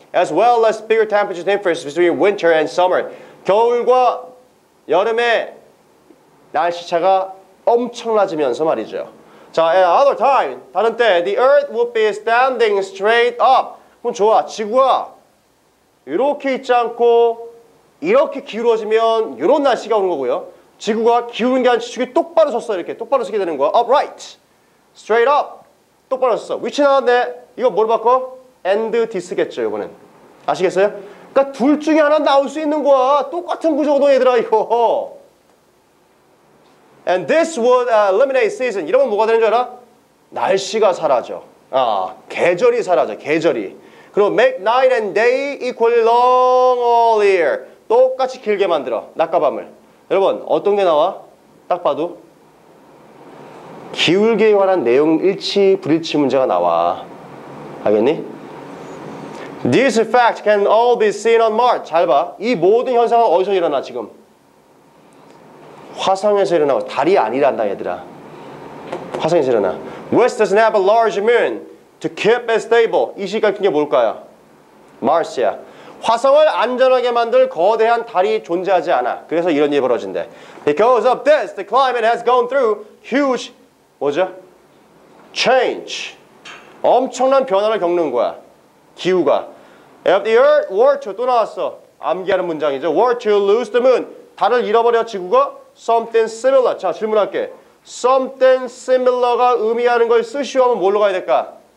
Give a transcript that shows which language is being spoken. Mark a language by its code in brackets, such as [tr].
[en] As well as bigger temperature difference between winter and summer. [ko] 겨울과 여름에 날씨차가 엄청나지면서 말이죠. [en] 자, at other time, [ko] 다른 때, [en] the earth would be standing straight up. [ko] 그럼 좋아. 지구가 이렇게 있지 않고 이렇게 기울어지면 이런 날씨가 오는 거고요. 지구가 기울은 게 아니라 지축이 똑바로 섰어. 이렇게 똑바로 서게 되는 거야. [en] Upright. Straight up. [ko] 똑바로 섰어. Which 나왔네. 이거 뭘 바꿔? [en] And this [ko] 겠죠, 이번엔. 아시겠어요? 그니까 둘 중에 하나 나올 수 있는 거야. 똑같은 구조거든 얘들아 이거. [en] And this would eliminate season. [ko] 이러면 뭐가 되는 줄 알아? 날씨가 사라져. 아, 계절이 사라져. 계절이. [en] 그리고 make night and day equally long all year. [ko] 똑같이 길게 만들어. 낮과 밤을. 여러분 어떤 게 나와? 딱 봐도 기울기에 관한 내용 일치 불일치 문제가 나와. 알겠니? [en] This fact can all be seen on Mars. [ko] 잘 봐. 이 모든 현상은 어디서 일어나 지금? 화성에서 일어나고 달이 아니란다 얘들아. 화성에서 일어나. [en] West doesn't have a large moon to keep it stable. [ko] 이 시각 같은 게 뭘까요? Mars야. 화성을 안전하게 만들 거대한 달이 존재하지 않아. 그래서 이런 일이 벌어진대. [en] Because of this, the climate has gone through huge 뭐죠? Change. [ko] 엄청난 변화를 겪는 거야. 기후가. [en] If the earth were to, [ko] 또 나왔어. 암기하는 문장이죠. [en] Were to lose the moon. [ko] 달을 잃어버려 지구가. [en] Something similar. 자, 질문할게. Something similar [ko] 가 의미하는 걸 쓰시오면 뭘로 가야 될까?